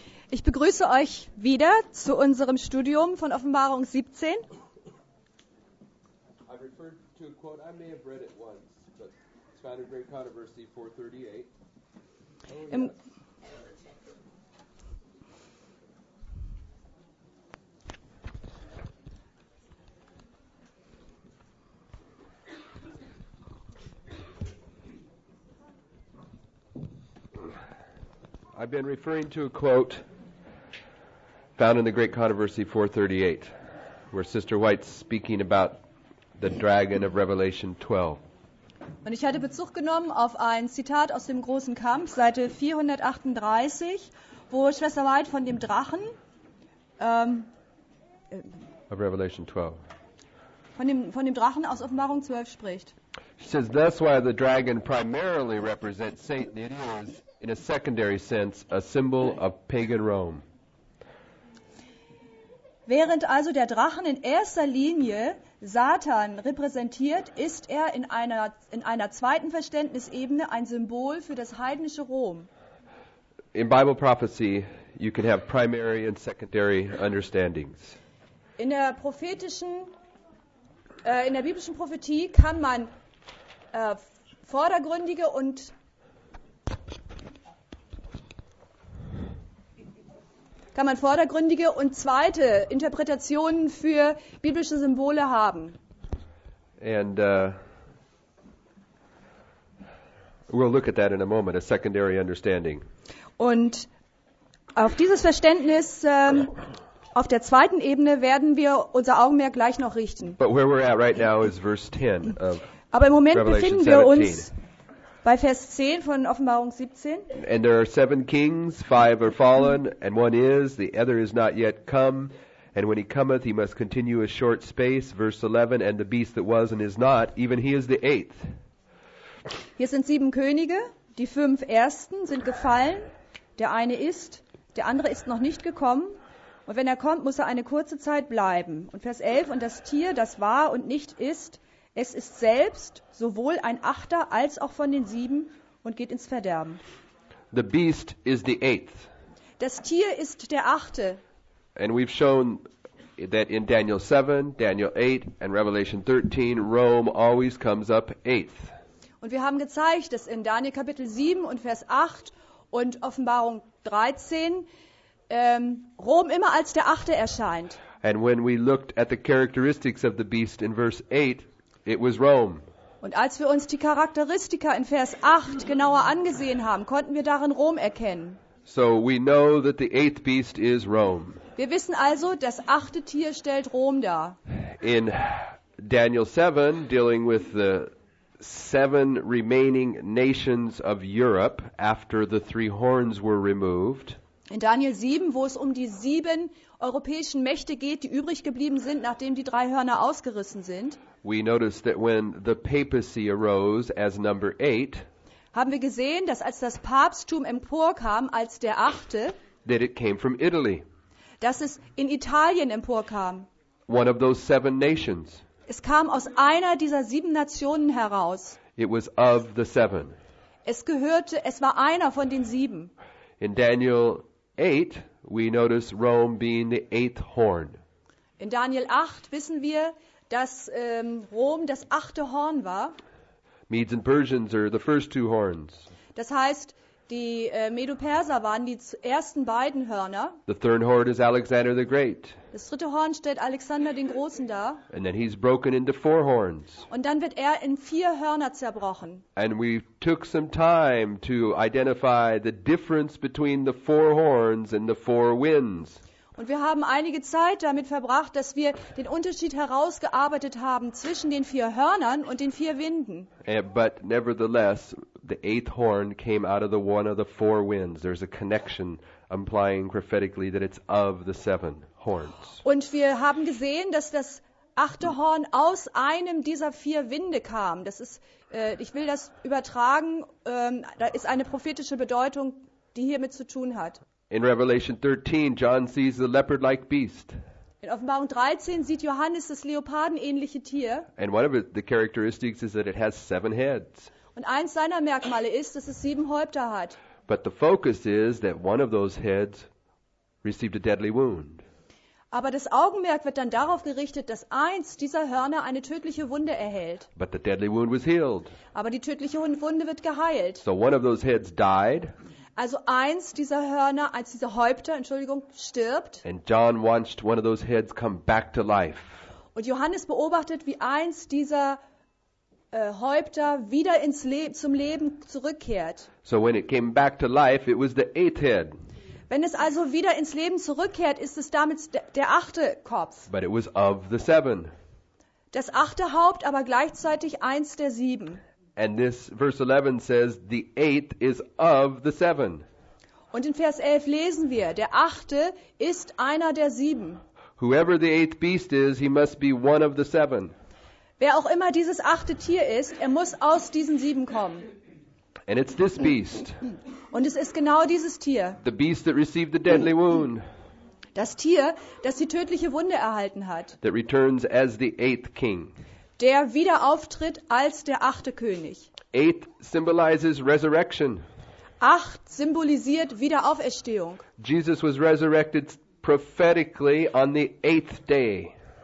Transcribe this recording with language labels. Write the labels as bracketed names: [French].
[German] Ich begrüße euch wieder zu unserem Studium von Offenbarung 17. [English] I've referred to a quote, I may have read it once, but it's found in Great Controversy 438. I've been referring to a quote found in the Great Controversy 438, where Sister White's speaking about the dragon of Revelation 12. [German] Und ich hatte Bezug genommen auf ein Zitat aus dem Großen Kampf, Seite 438, wo Schwester White von dem Drachen [English] of Revelation 12. [German] Von dem Drachen aus Offenbarung 12 spricht. [English] She says, that's why the dragon primarily represents Satan. It is, in a secondary sense, a symbol of pagan Rome. [German] Während also der Drachen in erster Linie Satan repräsentiert, ist er in einer zweiten Verständnisebene ein Symbol für das heidnische Rom. [English] In Bible prophecy, you can have primary and secondary understandings. [German] In der biblischen Prophetie kann man vordergründige und zweite Interpretationen für biblische Symbole haben. [English] And we'll look at that in a moment, a secondary understanding. [German] Und auf dieses Verständnis auf der zweiten Ebene werden wir unser Augenmerk gleich noch richten. [English] But where we're at right now is verse 10 of [German] Aber im Moment [English] Revelation [German] befinden [English] 17. [German] wir uns bei Vers 10 von Offenbarung 17. [English] And there are seven kings, five are fallen, and one is, the other is not yet come. And when he cometh, he must continue a short space. Verse 11, and the beast that was and is not, even he is the eighth. [German] Hier sind sieben Könige, die fünf ersten sind gefallen. Der eine ist, der andere ist noch nicht gekommen. Und wenn er kommt, muss er eine kurze Zeit bleiben. Und Vers 11, und das Tier, das war und nicht ist, es ist selbst sowohl ein Achter als auch von den sieben und geht ins Verderben. [English] The beast is the eighth. [German] Das Tier ist der achte. [English] And we've shown that in Daniel 7, Daniel 8 and Revelation 13, Rome always comes up eighth. [German] Und wir haben gezeigt, dass in Daniel Kapitel 7 und Vers 8 und Offenbarung 13 Rom immer als der achte erscheint. [English] And when we looked at the characteristics of the beast in verse 8, it was Rome. [German] Und als wir uns die Charakteristika in Vers 8 genauer angesehen haben, konnten wir darin Rom erkennen. [English] So we know that the eighth beast is Rome. [German] Wir wissen also, das achte Tier stellt Rom dar. [English] In Daniel 7, dealing with the seven remaining nations of Europe after the three horns were removed. [German] In Daniel 7, wo es um die sieben europäischen Mächte geht, die übrig geblieben sind, nachdem die drei Hörner ausgerissen sind. [English] We noticed that when the papacy arose as number 8, [German] haben wir gesehen, dass als das Papsttum emporkam als der achte, [English] that it came from Italy, [German] dass es in Italien emporkam. [English] One of those seven nations. [German] Es kam aus einer dieser sieben Nationen heraus. [English] It was of the seven. [German] Es war einer von den sieben. [English] In Daniel 8, we notice Rome being the eighth horn. [German] In Daniel 8 wissen wir, dass Rom das achte Horn war. [English] Medes and Persians are the first two horns. [German] Das heißt, die Medo-Perser waren die ersten beiden Hörner. [English] The third horn is Alexander the Great. [German] Das dritte Horn stellt Alexander den Großen dar. [English] And then he's broken into four horns. [German] Und dann wird in vier Hörner zerbrochen. [English] And we took some time to identify the difference between the four horns and the four winds. [German] Und wir haben einige Zeit damit verbracht, dass wir den Unterschied herausgearbeitet haben zwischen den vier Hörnern und den vier Winden. [English] But nevertheless, the eighth horn came out of the one of the four winds. There's a connection implying prophetically that it's of the seven horns. [German] Und wir haben gesehen, dass das achte Horn aus einem dieser vier Winde kam. Das ist, ich will das übertragen, da ist eine prophetische Bedeutung, die hiermit zu tun hat. [English] In Revelation 13, John sees the leopard-like beast. [German] In Offenbarung 13 sieht Johannes das leopardenähnliche Tier. [English] And one of the characteristics is that it has seven heads. [German] Und eins seiner Merkmale ist, dass es sieben Häupter hat. [English] But the focus is that one of those heads received a deadly wound. [German] Aber das Augenmerk wird dann darauf gerichtet, dass eins dieser Hörner eine tödliche Wunde erhält. [English] But the deadly wound was healed. [German] Aber die tödliche Wunde wird geheilt. [English] So one of those heads died. [German] Also eins dieser Hörner, als dieser Häupter, Entschuldigung, stirbt. [English] And John watched one of those heads come back to life. [German] Und Johannes beobachtet, wie eins dieser Häupter wieder ins zum Leben zurückkehrt. [English] So when it came back to life, it was the eighth head. [German] Wenn es also wieder ins Leben zurückkehrt, ist es damit der achte Kopf. [English] But it was of the seven. [German] Das achte Haupt, aber gleichzeitig eins der sieben. [English] And this verse 11 says the eighth is of the seven. [German] Und in Vers 11 lesen wir, der achte ist einer der sieben. [English] Whoever the eighth beast is, he must be one of the seven. [German] Wer auch immer dieses achte Tier ist, er muss aus diesen sieben kommen. [English] And it's this beast. [German] Und es ist genau dieses Tier. [English] The beast that received the deadly wound. [German] Das Tier, das die tödliche Wunde erhalten hat. [English] That returns as the eighth king. [German] Der wieder auftritt als der achte König. [English] Eighth symbolizes resurrection. [German] Acht symbolisiert Wiederauferstehung. [English] Jesus was resurrected prophetically on the eighth day.